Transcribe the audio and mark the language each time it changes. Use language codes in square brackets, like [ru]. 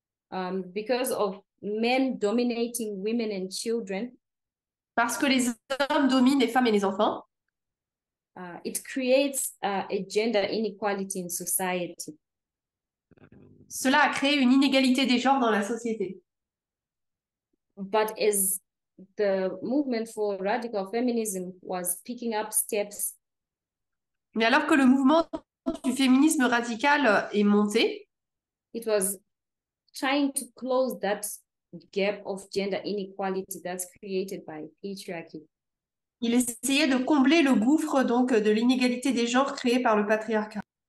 [en] Because of men dominating women and children, [fr] parce que les hommes dominent les femmes et les enfants, [en] it creates a gender inequality in society. [fr] cela a créé une inégalité des genres dans la société. [en] But as the movement for radical feminism was picking up steps, [fr] Mais alors que le mouvement du féminisme radical est monté, [en] it was trying to close that gap of gender inequality that's created by patriarchy. [fr] Il essayait de combler le gouffre donc de l'inégalité des genres créée par le patriarcat.